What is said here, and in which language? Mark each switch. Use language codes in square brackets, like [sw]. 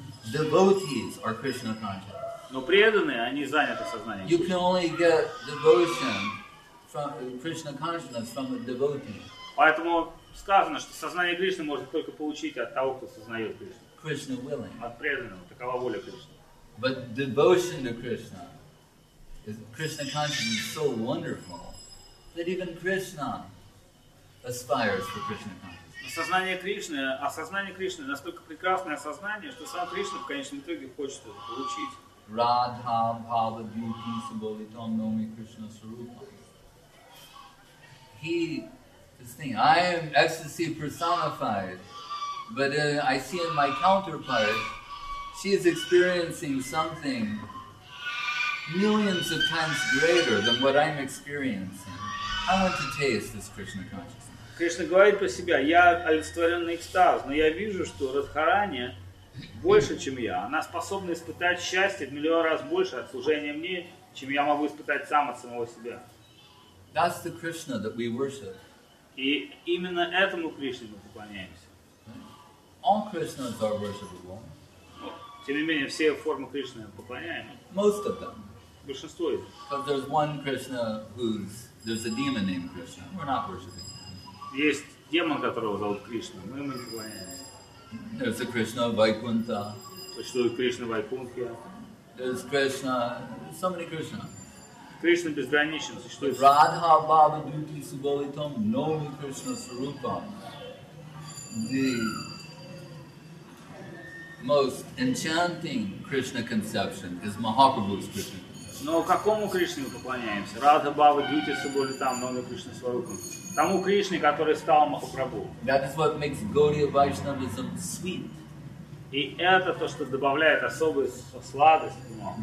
[en] Devotees are Krishna conscious. [ru] Но преданные, они заняты сознанием. [en] You can only get devotion from Krishna consciousness from a devotee. [ru] Поэтому сказано, что сознание Кришны можно только получить от того, кто сознает Кришну. [en] Krishna willing. [ru] От преданного. Такова воля Кришны. [en] But devotion to Krishna, Krishna consciousness is so wonderful. That even Krishna aspires for Krishna consciousness. [ru] Сознание Кришны, осознание Кришны настолько прекрасное осознание, что сам Кришна в конечном итоге хочет это получить. [sa] Radha Bhava Bhuti Sabalitam Nomi Krishna Sarupa. [en] He is thinking, I am ecstasy personified, but I see in my counterpart, she is experiencing something millions of times greater than what I'm experiencing. I want to taste this Krishna consciousness. [ru] Кришна говорит про себя: я олицетворенный экстаз, но я вижу, что Радхарани больше, чем я. Она способна испытать счастье в миллион раз больше от служения мне, чем я могу испытать сам от самого себя. [en] That's the Krishna that we worship. [ru] И именно этому Кришне мы поклоняемся. [en] All Krishnas are worshipable. [ru] Тем не менее, все формы Кришны поклоняемы. [en] Most of them. [ru] Большинство из них. [en] But there's one Krishna who's There's a demon named Krishna. We're not worshiping him. [ru] Есть демон, которого зовут Кришна. Мы ему не поклоняемся. [en] There's a Krishna Vaikuntha. [ru] Существует Кришна Вайкунтха. [en] There's Krishna. So many Krishna. [ru] Кришна безграничен. Существует. [sa] Radha Bhava Duti Subalitam Nomi Krishna Sarupam. [en] The most enchanting Krishna conception is Mahaprabhu's Krishna. [ru] Но какому Кришне мы поклоняемся? [sa] Радха Бхава Дьюти Субхалитам Нома Кришна Сварупам. [ru] Тому Кришне, который стал Махапрабху. [en] That is what makes Gaudiya Vaishnavism sweet. [ru] И это то, что добавляет особую сладость ему.